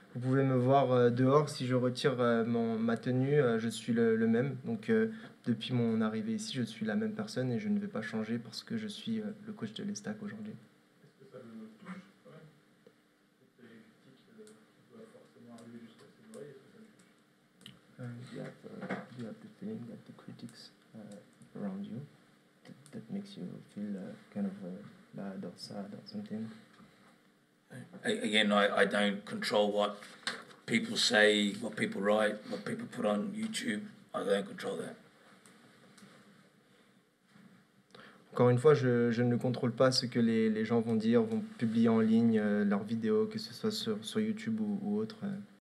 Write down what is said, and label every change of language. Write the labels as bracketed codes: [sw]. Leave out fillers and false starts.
[fr] Vous pouvez me voir dehors. Si je retire ma tenue, je suis le même. Donc, depuis mon arrivée ici, je suis la même personne et je ne vais pas changer parce que je suis le coach de l'Estac aujourd'hui. Est-ce que ça me touche quand même ? [en] Do you have the feeling that the critics around you that makes you feel bad or sad or something? I don't control what people say, what people write, what people put on YouTube. I don't control that. [fr] Encore une fois, je ne contrôle pas ce que les gens vont dire, vont publier en ligne leurs vidéos, que ce soit sur YouTube ou autre.